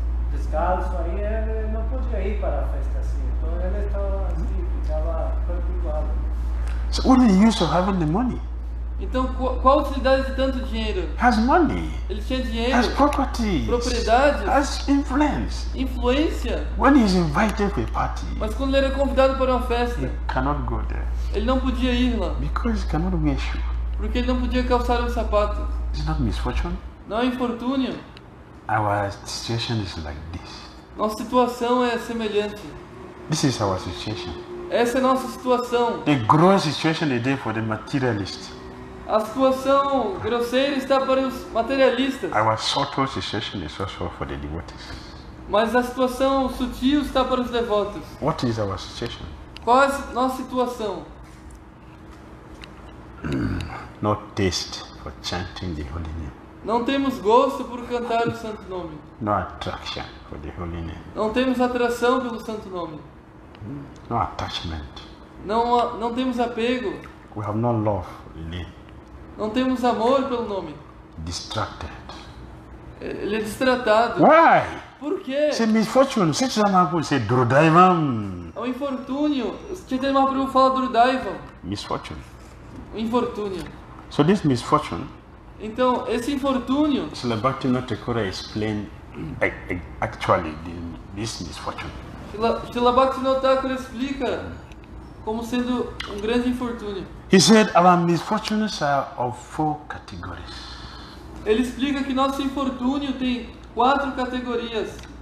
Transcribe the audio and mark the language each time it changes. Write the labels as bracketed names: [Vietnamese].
[Portuguese] Descalço aí ele não podia ir para a festa assim, então ele estava assim, ficava preocupado. [English] So what is the use of having the money? [Portuguese] Então qual a utilidade de tanto dinheiro? [English] Has money. [Portuguese] Ele tinha dinheiro. [English] Has property. [Portuguese] Propriedade. [English] Has influence. [Portuguese] Influência. [English] When he is invited to a party. [Portuguese] Mas quando ele era convidado para uma festa. [English] He cannot go there. [Portuguese] Ele não podia ir lá. [English] Because he cannot wear shoe. [Portuguese] Porque ele não podia calçar um sapato. [English] Is it not misfortune? [Portuguese] Não é infortúnio. [English] Our situation is like this. [Portuguese] Nossa situação é semelhante. [English] This is our situation. [Portuguese] Essa é nossa situação. [English] The gross situation is there for the materialist. [Portuguese] A situação grosseira está para os materialistas. [English] Our subtle situation is also for the devotees. [Portuguese] Mas a situação sutil está para os devotos. [English] What is our situation? [Portuguese] Qual é a nossa situação? [English] No taste for chanting the holy name. [Portuguese] Não temos gosto por cantar o santo nome. [English] No attraction for the holy name. [Portuguese] Não temos atração pelo santo nome. [English] No attachment. [Portuguese] Não temos apego. [English] We have no love for the name. [Portuguese] Não temos amor pelo nome. [English] Distracted. [Portuguese] Ele é distratado. [English] Why? [Portuguese] Por quê? Se [English] misfortune, [Portuguese] se chama por ser durdaivam. É um infortúnio. Se tem uma prova fala durdaivam. [English] Misfortune. [Portuguese] Um infortúnio. [English] So this misfortune. [Portuguese] Então, esse infortúnio. [English] Srila Bhakti Notakura explain actually this misfortune. [Portuguese] Srila Bhakti Notakura explica como sendo grande infortúnio. [English] He said our misfortunes are of four categories. [Portuguese] Ele explica que nosso infortúnio tem quatro categorias.